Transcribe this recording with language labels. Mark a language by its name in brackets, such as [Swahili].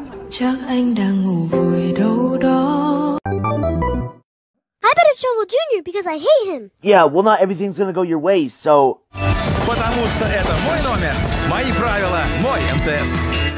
[Vietnamese] Chắc anh đang ngủ vui đâu đó. [English] hate Shovel Jr. because I hate him. Yeah, well, not everything's gonna go your way, so... [Russian] Потому что это мой номер, мои правила, мой МТС.